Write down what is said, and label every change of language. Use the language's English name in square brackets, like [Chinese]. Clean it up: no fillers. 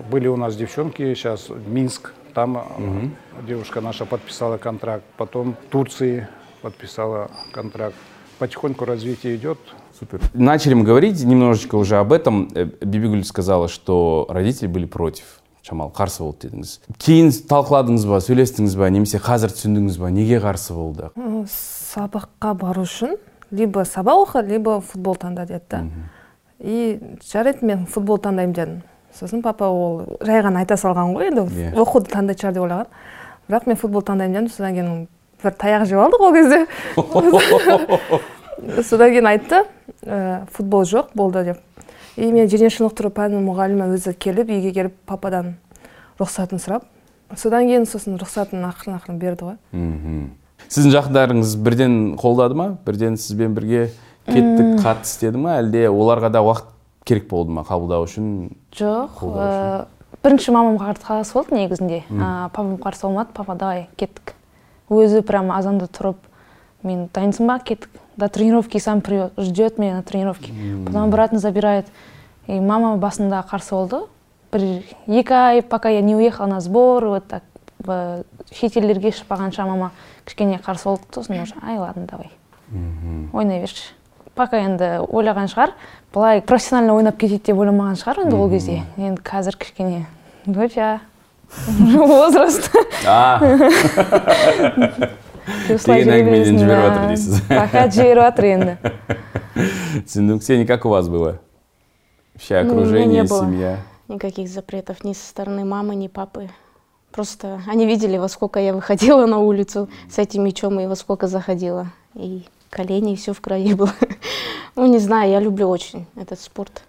[Russian] Были у нас девчонки сейчас в Минск. Там девушка наша подписала контракт, потом в Турции подписала контракт. Потихоньку развитие идет. Супер. Начали мы говорить немножечко уже об этом. Бибигуль сказала, что родители были против. [Kazakh] Шамал, қарсы болды дедіңіз. Кейін талқыладыңыз ба, сөйлестіңіз ба, немесе қазір түсіндіңіз ба, неге қарсы болды? Сабаққа бару үшін, либо сабақ оқы, либо футбол таңда деді. И жарайды, мен футбол таңдайым дедім. Сосын папа ол жай ғана айта салған ғой, енді оқуды таңдай шығар деп ойлаған. Бірақ мен футбол таңдаймын дедім, содан кейін бір таяқ жеп алдық ол кезде. Содан кейін айтты, футбол жоқ болды деп. И мен дене шынықтыру пәнінің мұғалімі өзі келіп, үйге келіп пападан рұқсатын сұрап. Содан кейін сосын рұқсатын ақырын-ақырын берді ғой. Сіздің жақындарыңыз бірден қолдады ма? Бірден сізбен бірге кеттік, қатты істеді ма? Әлде оларға да уақыт керек болды ма қабылдау үшін? Жоқ. Бірінші мамам қарсы болды негізінде. Папам қарсы болмады, папа давай кеттік. Өзі прям азанда тұрып, мен дайынсың ба, кеттік. [Russian] До тренировки сам ждет меня на тренировке. Потом обратно забирает. [Kazakh] И мама басында қарсы болды. Бір екі ай, [Russian] пока я не уехала на сбор, вот так. [Kazakh] Шетелдерге шықпағанша мама кішкене қарсы болды. [Russian] Сосын уже, ай ладно, давай. [Kazakh] Ойнай берші. Пока енді ойлаған шығар. Былай профессионально ойнап кетеді деп ойламаған шығар енді ол кезде. Енді қазір кішкене доча. [Russian] Возраст. [Kazakh] Деген әңгімеден жіберіп отыр дейсіз. Пока жіберіп отыр енді. [Russian] Түсіндім. Ксения, как у вас было? Вообще окружение, семья? Никаких запретов ни со стороны мамы, ни папы. Просто они видели, во сколько я выходила на улицу с этим мячом и во сколько заходила. И колени, и все в крови было. Ну, не знаю, я люблю очень этот спорт.